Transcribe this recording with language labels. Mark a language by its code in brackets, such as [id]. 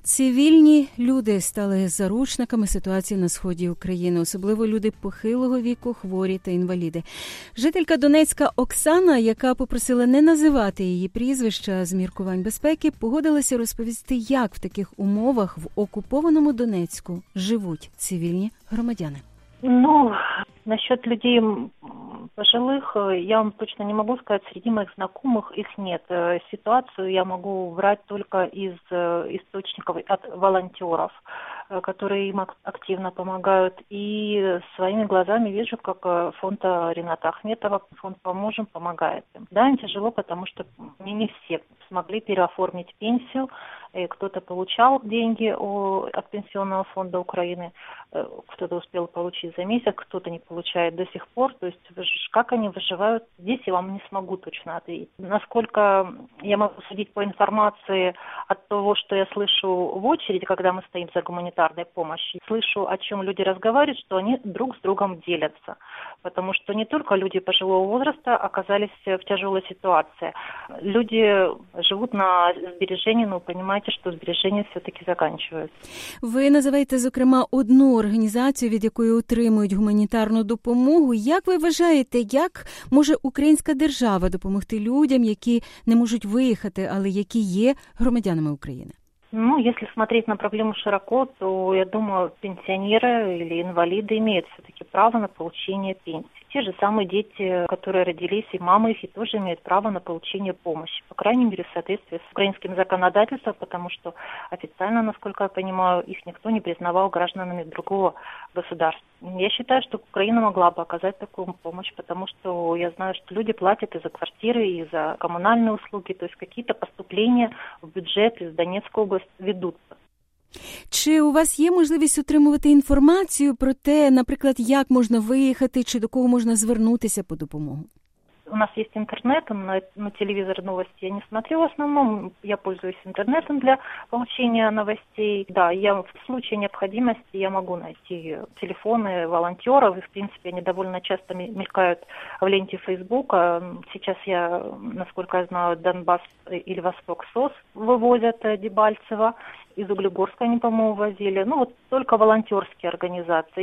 [uk] Цивільні люди стали заручниками ситуації на сході України, особливо люди похилого віку, хворі та інваліди. Жителька Донецька Оксана, яка попросила не називати її прізвища з міркувань безпеки, погодилася розповісти, як в таких умовах в окупованому Донецьку живуть цивільні громадяни. [ru] Ну, насчет людей пожилых, я вам точно не могу сказать, среди моих знакомых их нет. Ситуацию я могу брать только из источников от волонтеров, которые им активно помогают. И своими глазами вижу, как фонд Рената Ахметова, фонд «Поможем», помогает им. Да, им тяжело, потому что не все смогли переоформить пенсию. И кто-то получал деньги от Пенсионного фонда Украины, кто-то успел получить за месяц, кто-то не получает до сих пор. То есть как они выживают, здесь я вам не смогу точно ответить. Насколько я могу судить по информации от того, что я слышу в очереди, когда мы стоим за гуманитарной помощью, слышу, о чем люди разговаривают, что они друг с другом делятся. Потому что не только люди пожилого возраста оказались в тяжелой ситуации. Люди живут на сбережении, но понимаете, что сбережения все-таки заканчиваются. [uk] Вы называете, зокрема, одну организацию, від якої отримують гуманітарну допомогу. Як ви вважаєте, як може українська держава допомогти людям, які не можуть виїхати, але які є громадянами України? [ru] Ну, если смотреть на проблему широко, то, я думаю, пенсионеры или инвалиды имеют все-таки право на получение пенсии. Те же самые дети, которые родились, и мамы их, и тоже имеют право на получение помощи. По крайней мере, в соответствии с украинским законодательством, потому что официально, насколько я понимаю, их никто не признавал гражданами другого государства. Я считаю, что Украина могла бы оказать такую помощь, потому что я знаю, что люди платят и за квартиры, и за коммунальные услуги, то есть какие-то поступления в бюджет из Донецкой области ведутся. Чи у вас є можливість отримувати інформацію про те, наприклад, як можна виїхати, чи до кого можна звернутися по допомогу? [uk] У нас є інтернет, [ru] на телевізор новості я не смотрю, в основному я пользуюсь інтернетом для получення новостей. Да, я в случае необходимости я могу найти телефоны волонтеров, и в принципе они довольно часто мелькают в ленте Фейсбука. Сейчас я, насколько я знаю, Донбасс или Восток СОС вывозят Дебальцева. Из Углегорска они, по-моему, возили. Ну, вот только волонтерские организации.